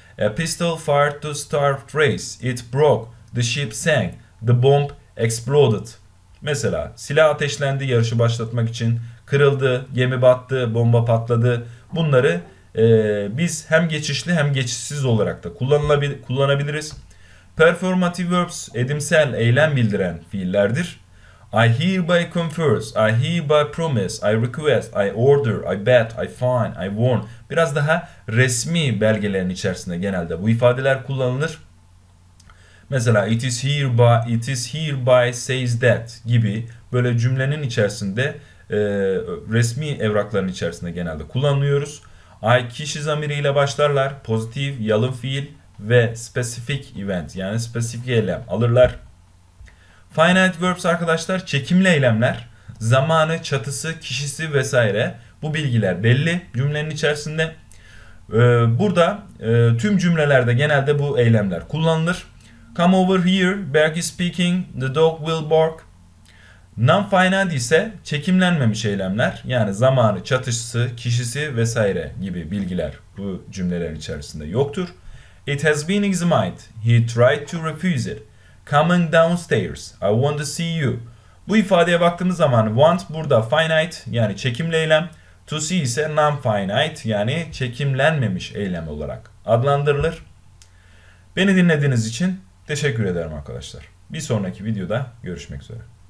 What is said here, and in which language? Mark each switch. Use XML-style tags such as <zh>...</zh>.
<en>A pistol fired to start race. It broke. The ship sank. The bomb exploded.</en> <tr>Mesela silah ateşlendi yarışı başlatmak için, kırıldı, gemi battı, bomba patladı. Bunları biz hem geçişli hem geçişsiz olarak da kullanabiliriz. Performative verbs edimsel eylem bildiren fiillerdir.</tr> <en>I hereby confers, I hereby promise, I request, I order, I bet, I fine, I warn.</en> <tr>Biraz daha resmi belgelerin içerisinde genelde bu ifadeler kullanılır. Mesela</tr> <en>it is hereby says that</en> <tr>gibi böyle cümlenin içerisinde resmi evrakların içerisinde genelde kullanıyoruz. I kişi zamiriyle başlarlar. Pozitif, yalın fiil ve specific event yani spesifik eylem alırlar. Finite verbs arkadaşlar çekimli eylemler. Zamanı, çatısı, kişisi vesaire bu bilgiler belli cümlenin içerisinde. Burada tüm cümlelerde genelde bu eylemler kullanılır.</tr> <en>Come over here, Berg is speaking, the dog will bark.</en> <tr>Non-finite ise çekimlenmemiş eylemler, yani zamanı, çatışısı, kişisi vesaire gibi bilgiler bu cümlelerin içerisinde yoktur.</tr> <en>It has been examined, he tried to refuse it. Coming downstairs, I want to see you.</en> <tr>Bu ifadeye baktığımız zaman want burada finite yani çekimli eylem, to see ise non-finite yani çekimlenmemiş eylem olarak adlandırılır. Beni dinlediğiniz için teşekkür ederim arkadaşlar. Bir sonraki videoda görüşmek üzere.</tr>